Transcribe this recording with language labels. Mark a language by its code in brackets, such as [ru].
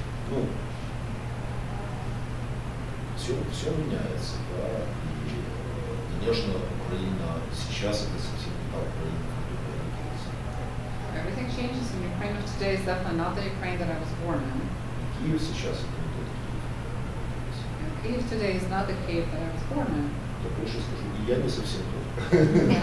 [ru] Ну, все меняется, да, и, конечно, Украина сейчас это совсем не та Украина, которая родилась. [en] Everything changes in Ukraine of today is definitely not the Ukraine that I was born in. [ru] Киев сейчас это не тот Киев. [en] Today is not the Kyiv that I was born in. [ru] Так лучше скажу, и я не совсем тот.